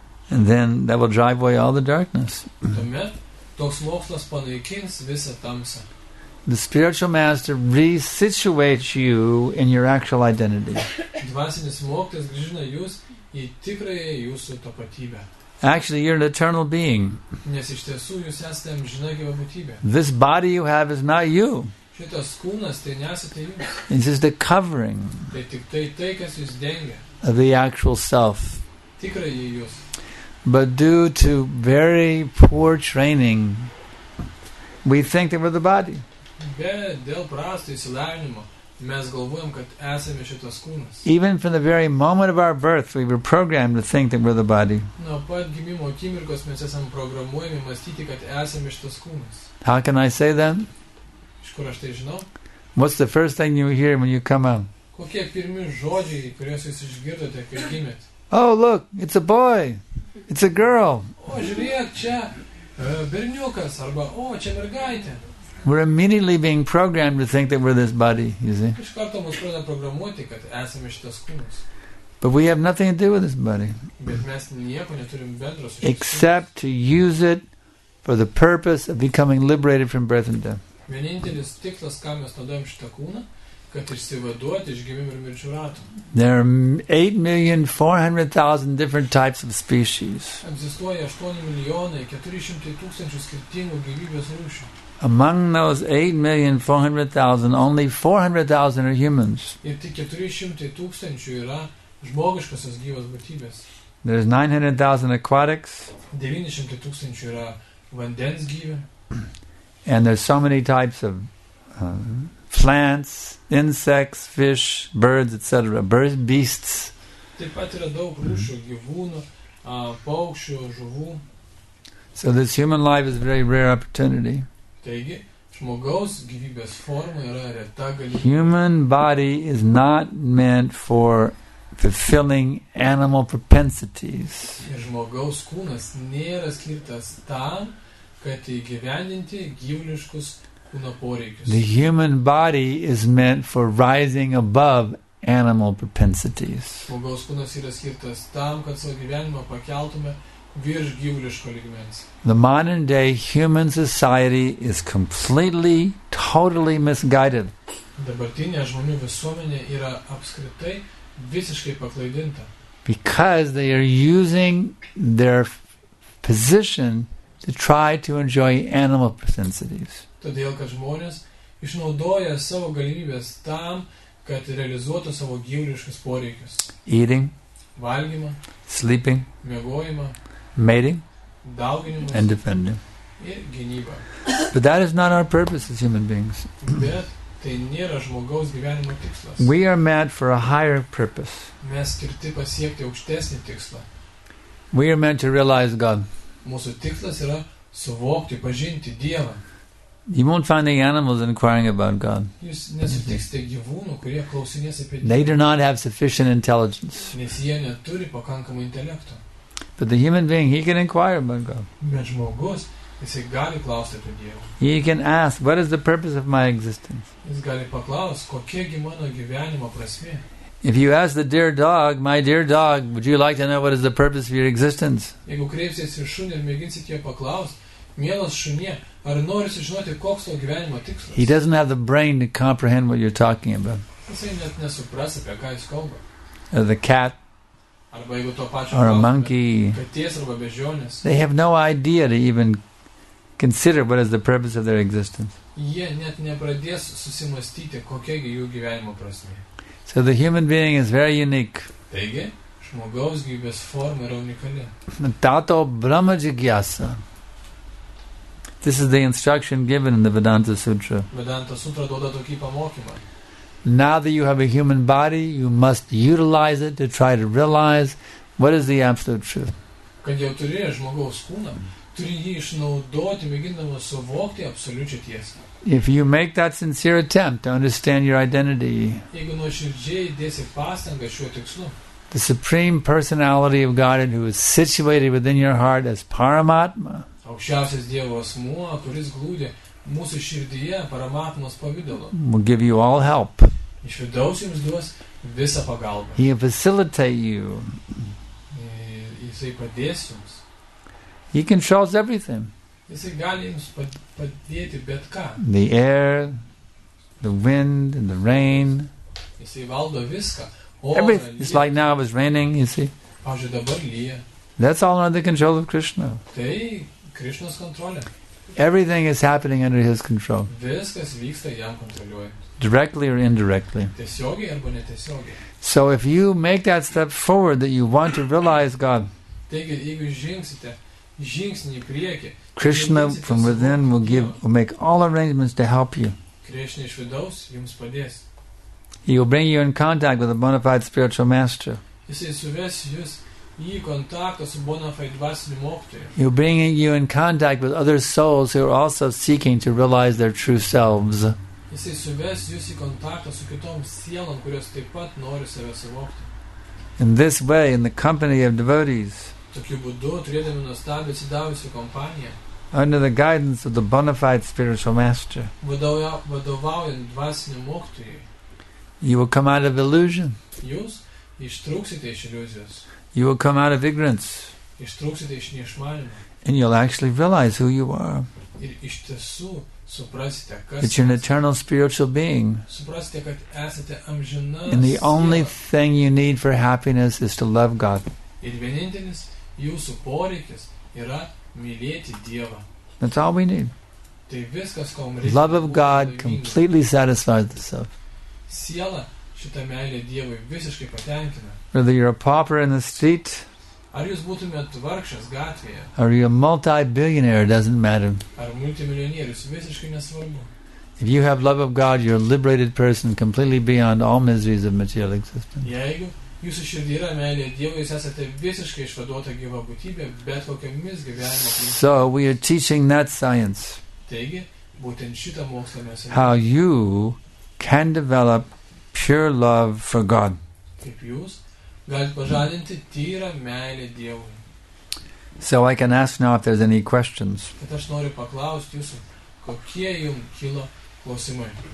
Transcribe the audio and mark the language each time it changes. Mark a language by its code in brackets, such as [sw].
[en] And then that will drive away all the darkness. [lt] Toks mokslas panaikins visą tamsą. [en] The spiritual master resituates you in your actual identity. [lt] Dvasinis mokytojas grįžina jūs į tikrąją jūsų tapatybę. [en] Actually, you're an eternal being. [lt] Nes iš tiesų jūs esate amžina gyva būtybė. [en] This body you have is not you. [lt] Šitas kūnas tai nesate jūs. [en] It's just a covering. [lt] Tai tik tai tai, kas jūs dengia. [en] Of the actual self. [lt] Tikrąjį jūs. [en] But due to very poor training, we think that we're the body. [lt] Bet dėl prasto įsilavinimo mes galvojam, kad esame šitas kūnas. [en] Even from the very moment of our birth, we were programmed to think that we're the body. [lt] Nuo pat gimimo akimirkos mes esam programuojami mąstyti, kad esame šitas kūnas. [en] How can I say that? [lt] Iš kur aš tai žinau? [en] What's the first thing you hear when you come out? [lt] Kokie pirmi žodžiai, kuriuos jūs išgirdote, kai gimėt? [en] Oh, look, it's a boy. It's a girl. [lt] O, žiūrėk, čia berniukas, arba, o, čia mergaitė. [en] We're immediately being programmed to think that we're this body, you see. [lt] Iš karto mus pradeda programuoti, kad esame šitas kūnas. [en] But we have nothing to do with this body. [lt] Bet mes nieko neturim bendro su šitas. [en] Except to use it for the purpose of becoming liberated from birth and death. [lt] Vienintelis tikslas, ką mes naudojam šitą kūną, kad išsivaduoti iš gimimo ir mirčių rato. [en] There are 8,400,000 different types of species. [lt] Egzistuoja 8,400,000 skirtingų gyvybės rūšių. [en] Among those 8,400,000, only 400,000 are humans. [lt] Ir tik 400,000 yra žmogiškosios gyvos būtybės. [en] There's 900,000 aquatics. [lt] 900,000 yra vandens gyvi. [en] And there's so many types of plants, insects, fish, birds, etc. Birds, beasts. [lt] Taip pat yra daug rūšių gyvūnų, paukščių, žuvų. [en] So this human life is a very rare opportunity. [lt] Taigi, žmogaus gyvybės forma yra reta galimybė. [en] Human body is not meant for fulfilling animal propensities. [lt] Ir žmogaus kūnas nėra skirtas tam, kad įgyvendinti gyvuliškus kūno poreikius. [en] The human body is meant for rising above animal propensities. [lt] Žmogaus kūnas yra skirtas tam, kad savo gyvenimą pakeltume virš gyvuliško lygmens. [en] The modern day human society is completely, totally misguided. [lt] Dabartinė žmonių visuomenė yra apskritai visiškai paklaidinta. [en] Because they are using their position to try to enjoy animal propensities. [lt] Todėl, kad žmonės išnaudoja savo galimybės tam, kad realizuotų savo gyvuliškus poreikius. [en] Eating. [lt] Valgymą. [en] Sleeping. [lt] Miegojimą. [en] Mating [lt] dauginimus, [en] and defending. [lt] Ir gynyba. [en] But that is not our purpose as human beings. [lt] Bet tai nėra žmogaus gyvenimo tikslas. [en] We are meant for a higher purpose. [lt] Mes skirti pasiekti aukštesnį tikslą. [en] We are meant to realize God. [lt] Mūsų tikslas yra suvokti, pažinti Dievą. [en] You won't find the animals inquiring about God. [lt] Jūs nesutiksite gyvūnų, kurie klausinės apie Dievą. [en] They do not have sufficient intelligence. [lt] Nes jie neturi pakankamą intelektą. [en] But the human being, he can inquire about God. [lt] Bet žmogus, jis gali klausti apie Dievą. [en] He can ask, what is the purpose of my existence? [lt] Jis gali paklausti, kokia gi mano gyvenimo prasmė. [en] If you ask the dear dog, my dear dog, would you like to know what is the purpose of your existence? [lt] Jeigu kreipsiesi į šunį ir mėginsit jo paklausti, mielas šunie, ar norisi žinoti, koks tavo gyvenimo tikslas? [en] He doesn't have the brain to comprehend what you're talking about. [lt] Jisai net nesupras, apie ką jis kalba. [en] The cat. [lt] Arba jeigu to pačio [en] or a monkey, [lt] katės arba bežionės, [en] they have no idea to even consider what is the purpose of their existence. [lt] Jie net nepradės susimastyti, kokia jų gyvenimo prasmė. [en] So the human being is very unique. [lt] Taigi, žmogaus gyvybės forma yra unikali. [sa] Tato brahma jigyasa. [en] This is the instruction given in the Vedanta Sutra. [lt] Vedanta Sutra duoda tokį pamokymą. [en] Now that you have a human body, you must utilize it to try to realize what is the absolute truth. [lt] Kad jau turi žmogaus kūną, turi jį išnaudoti, mėgindamas suvokti absoliučią tiesą. [en] If you make that sincere attempt to understand your identity, [lt] jeigu nuoširdžiai dėsi pastangą šiuo tikslu, [en] the Supreme Personality of God, who is situated within your heart as Paramatma, [lt] o aukščiausias Dievo asmuo, kuris glūdė mūsų širdyje paramatmos pavidalo. [en] Will give you all help. [lt] Iš vidaus jums duos visą pagalbą. [en] He'll facilitate you. [lt] Jisai padės jums. [en] He controls everything. [lt] Jisai gali jums padėti bet ką. [en] The air, the wind, and the rain. [lt] Jisai valdo viską. [en] Everything. It's like now it's raining, you see. [lt] Pavyzdžiui, dabar lyja. [en] That's all under the control of Krishna. [lt] Tai Krishnos kontrolė. [en] Everything is happening under his control. [lt] Viskas vyksta jam kontroliuojant. [en] Directly or indirectly. [lt] Tiesiogiai arba netiesiogiai. [en] So if you make that step forward that you want to realize God, [lt] taigi, jeigu žingsite žingsnį į priekį, [en] Krishna from within will make all arrangements to help you. [lt] Krishna iš vidaus jums padės. [en] He will bring you in contact with a bona fide spiritual master. [lt] Jisai suves jus į kontaktą su bona fide dvasiniu mokytoju. [en] He will bring you in contact with other souls who are also seeking to realize their true selves. [lt] Jisai suves jus į kontaktą su kitom sielom, kurios taip pat nori save suvokti. [en] In this way, in the company of devotees, [lt] tokiu būdu, turėdami nuostabią įsidavusią kompaniją, [en] under the guidance of the bona fide spiritual master, [lt] vadovaujant dvasiniu mokytoju, [en] you will come out of illusion. [lt] Jūs ištrūksite iš iliuzijos. [en] You will come out of ignorance. [lt] Ištrūksite iš neišmanimo. [en] And you'll actually realize who you are. [lt] Ir iš tiesų suprasite, kas [en] that you're an eternal spiritual being. [lt] Suprasite, kad esate amžina. [en] And the only thing you need for happiness is to love God. [lt] Ir vienintelis jūsų poreikis yra mylėti Dievą. [en] That's all we need. [lt] Tai viskas, ko mums reikia. [en] Love of God completely satisfies the self. [lt] Siela šitą meilę Dievui visiškai patenkina. [en] Whether you're a pauper in the street, [lt] ar jūs būtumėt vargšas gatvėje, [en] or you're a multi-billionaire, doesn't matter. [lt] Ar multimilionierius, visiškai nesvarbu. [en] If you have love of God, you're a liberated person completely beyond all miseries of material existence. [lt] Jeigu jūsų širdyje yra meilė Dievui, jūs esate visiškai išvaduota gyva būtybė, bet kokiamis gyvenimo aplinkybėmis. [en] So we are teaching that science. [lt] Taigi, būtent šitą mokslą mes [en] how you can develop pure love for God. [lt] Kaip jūs galite pažadinti tyrą meilę Dievui. [en] So I can ask now if there's any questions. [lt] Bet aš noriu paklausti jūsų, kokie jums kilo klausimai.